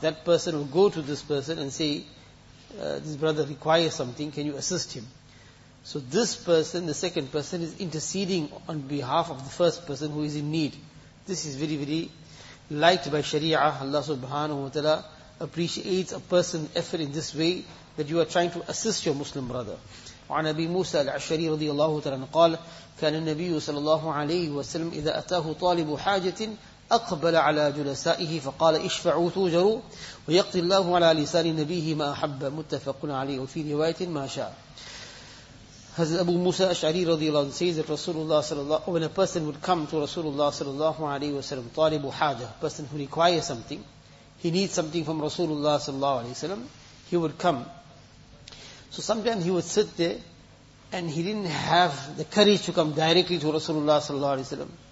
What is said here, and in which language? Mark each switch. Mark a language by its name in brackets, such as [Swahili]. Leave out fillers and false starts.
[English] That person will go to this person and say, this brother requires something, can you assist him? So this person, the second person, is interceding on behalf of the first person who is in need. This is very, very liked by Sharia. Allah subhanahu wa ta'ala appreciates a person's effort in this way, that you are trying to assist your Muslim brother. [Arabic] وعن أبي موسى العشري رضي الله تعالى قال كان النبي صلى الله عليه وسلم إذا أتاه طالب حاجة أقبل على جلسائه فقال اشفعوا توجروا ويقضي الله على لسان نبيه ما أحب متفق عليه وفي رواية ما شاء. [English] Hazrat Abu Musa Ash'ari radiallahu anhu says that Rasulullah sallallahu, when a person would come to Rasulullah sallallahu alayhi wa sallam, talibu haja, a person who requires something, he needs something from Rasulullah sallallahu alayhi wa sallam, he would come. So sometimes he would sit there and he didn't have the courage to come directly to Rasulullah sallallahu alayhi wa sallam.